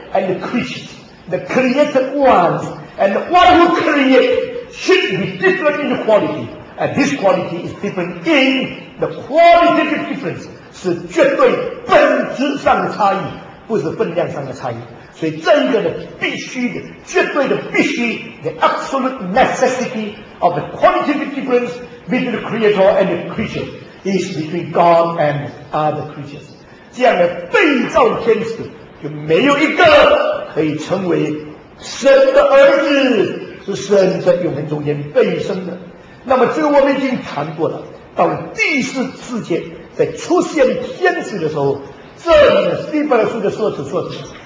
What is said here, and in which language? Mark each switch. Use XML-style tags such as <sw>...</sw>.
<en>and Christ, the created ones, and what we create should be different in quality. And this quality is different in the qualitative difference.</en> <zh>是绝对本质上的差异，不是分量上的差异。所以真正的必须的，绝对的必须</zh> <en>，the absolute necessity of the qualitative difference between the creator and the creature is between God and other creatures。</en> <zh>这样的被造天使就没有一个可以成为神的儿子，是神在永恒中间被生的。那么这个我们已经谈过了，到了第四世界。在出现天使的时候，这里希伯来书的说辞说什么？</zh>